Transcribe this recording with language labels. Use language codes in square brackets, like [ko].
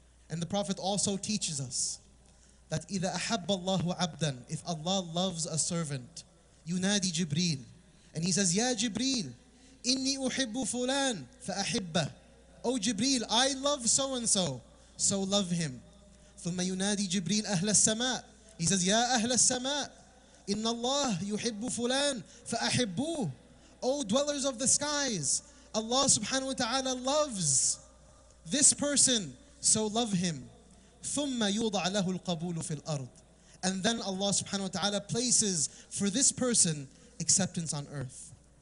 [en] And the Prophet also teaches us that [ar] إِذَا أَحَبَّ اللَّهُ عَبْدًا, [en] if Allah loves a servant, [ar] يُنَادِي جِبْرِيلِ, [en] and he says, [ar] يَا جِبْرِيلِ إِنِّي أُحِبُّ فُلَانِ فَأَحِبَّهُ. [en] Oh Jibreel, I love so and so, so love him. [ar] ثُمَّ يُنَادِي جِبْرِيلِ أَهْلَ السَّمَاءِ, [en] he says, [ar] يَا أَهْلَ السَّمَاءِ إِنَّ اللَّهُ يُحِبُّ فُلَانِ فَأَحِبُّهُ. [en] O dwellers of the skies, Allah subhanahu wa ta'ala loves this person, so love him. [ar] ثُمَّ يُوضَعَ لَهُ الْقَبُولُ فِي الْأَرْضِ. [en] And then Allah subhanahu wa ta'ala places for this person acceptance on earth.